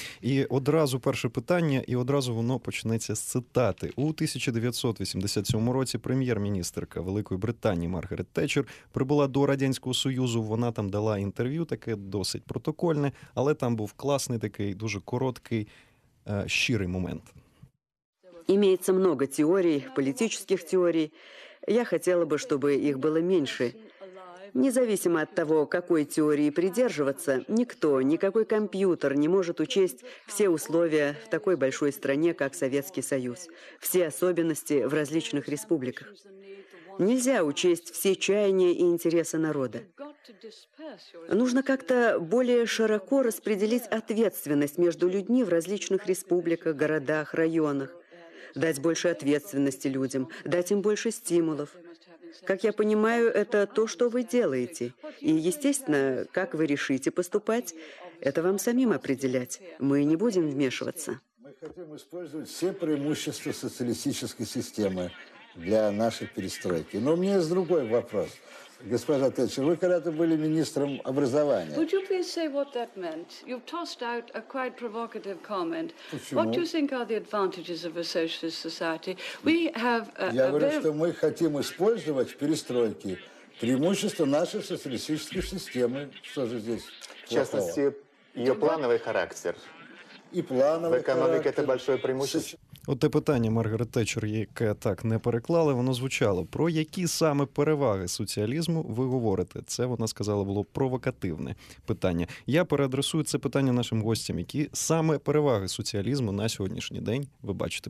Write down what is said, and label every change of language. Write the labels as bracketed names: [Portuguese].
[Ukrainian] І одразу перше питання, і одразу воно почнеться з цитати. У 1987 році прем'єр-міністерка Великої Британії Маргарет Тетчер прибула до Радянського Союзу. Вона там дала інтерв'ю, таке досить протокольне, але там був класний такий, дуже короткий, щирий момент. [Russian] Имеется много теорий, политических теорий. Я хотела бы, чтобы их было меньше. Независимо от того, какой теории придерживаться, никто, никакой компьютер не может учесть все условия в такой большой стране, как Советский Союз, все особенности в различных республиках. Нельзя учесть все чаяния и интересы народа. Нужно как-то более широко распределить ответственность между людьми в различных республиках, городах, районах. Дать больше ответственности людям, дать им больше стимулов. Как я понимаю, это то, что вы делаете. И, естественно, как вы решите поступать, это вам самим определять. Мы не будем вмешиваться. Мы хотим использовать все преимущества социалистической системы для нашей перестройки. Но у меня есть другой вопрос. Госпожа Тетчер, вы когда-то были министром образования. [English] Would you please say what that meant? You've tossed out a quite provocative comment. [Russian] Почему? [English] What do you think are the advantages of a socialist society? We have [Russian] Я говорю, что мы хотим использовать в перестройке преимущества нашей социалистической системы. Что же здесь плохого? В частности, ее плановый характер. И плановый характер. В экономике это большое преимущество. [Ukrainian] От те питання Маргарет Тетчер, яке так не переклали, воно звучало. Про які саме переваги соціалізму ви говорите? Це, вона сказала, було провокативне питання. Я переадресую це питання нашим гостям. Які саме переваги соціалізму на сьогоднішній день ви бачите?